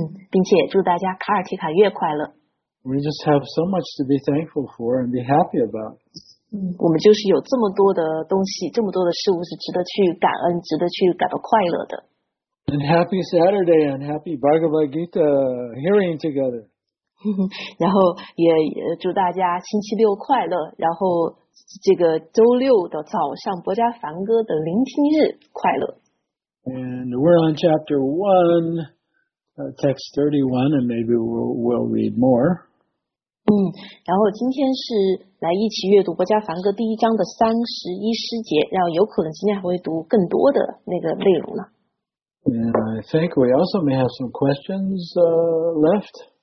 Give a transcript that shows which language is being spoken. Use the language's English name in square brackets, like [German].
[Chinese] 并且祝大家卡尔提卡月快乐。 [English] We just have so much to be thankful for and be happy about. [Chinese] 我们就是有这么多的东西，这么多的事物是值得去感恩，值得去感到快乐的。 [English] And happy Saturday and happy Bhagavad Gita hearing together. [Chinese] 然后也祝大家星期六快乐，然后这个周六的早上博迦梵歌的聆听日快乐。 [English] And we're on chapter 1. Text 31, and maybe we'll read more. [Chinese] 然后今天是来一起阅读《博迦梵歌》第一章的31诗节，然后有可能今天还会读更多的那个内容呢。 [English] And I think we also may have some questions left.